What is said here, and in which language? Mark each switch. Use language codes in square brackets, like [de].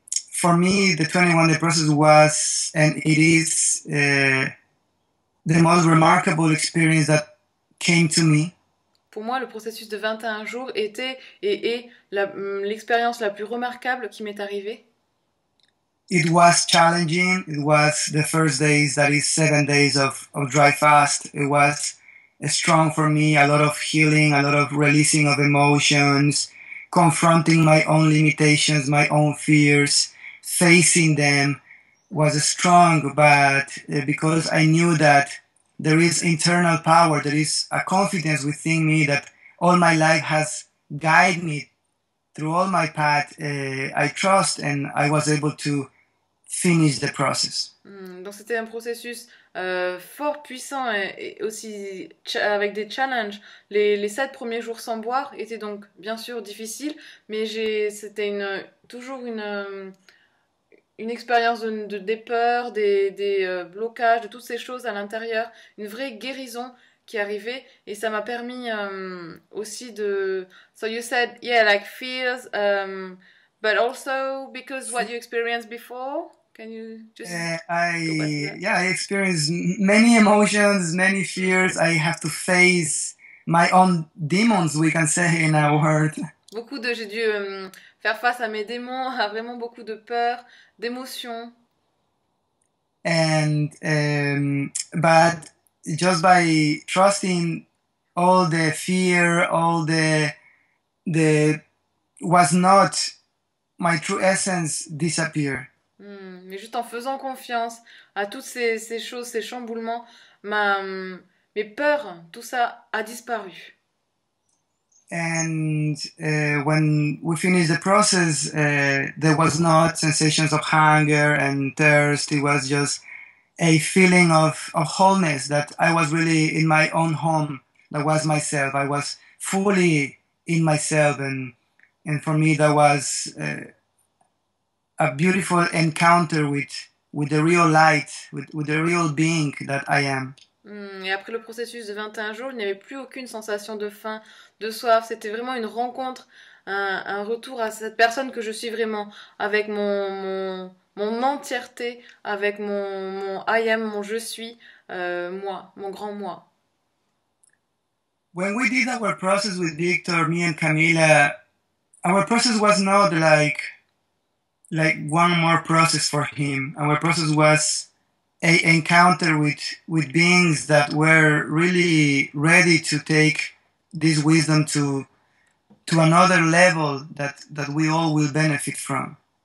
[en] For me, the 21-day process was, and it is, the most remarkable experience that came to me. [fr] Pour moi, le processus de 21 jours était et est l'expérience la plus remarquable qui m'est arrivée. [en] It was challenging. It was the first days, that is 7 days of dry fast. It was strong for me, a lot of healing, a lot of releasing of emotions. Confronting my own limitations, my own fears, facing them was strong, but because I knew that there is internal power, there is a confidence within me that all my life has guided me through all my path, I trust and I was able to finish the process. [fr] Donc c'était un processus fort puissant et aussi avec des challenges. Les 7 premiers jours sans boire étaient donc bien sûr difficiles, mais c'était toujours une expérience des peurs, des blocages, de toutes ces choses à l'intérieur, une vraie guérison qui arrivait et ça m'a permis aussi de. [en] So you said, yeah, like fears, but also because what you experienced before. Can you just go back to that? I experienced many emotions, many fears. I have to face my own demons, we can say in a word. [fr] Beaucoup de j'ai dû faire face à mes démons, à vraiment beaucoup de peur, d'émotions. [en] But just by trusting all the fear, all the was not my true essence disappear. [fr] Mais juste en faisant confiance à toutes ces choses, ces chamboulements, mes peurs, tout ça a disparu. [en] And when we finished the process, there was not sensations of hunger and thirst. It was just a feeling of wholeness that I was really in my own home. That was myself. I was fully in myself, and for me, that was a beautiful encounter with the real light, with the real being that I am. [fr] Et après le processus de 21 jours, il n'y avait plus aucune sensation de faim, de soif. C'était vraiment une rencontre, un retour à cette personne que je suis vraiment, avec mon entièreté, avec mon [en] I am, [fr] mon je suis, moi, mon grand moi. [en] When we did our process with Victor, me and Camila, our process was not like one more process for him. Our process was a encounter with beings that were really ready to take this wisdom to another level that we all will benefit from.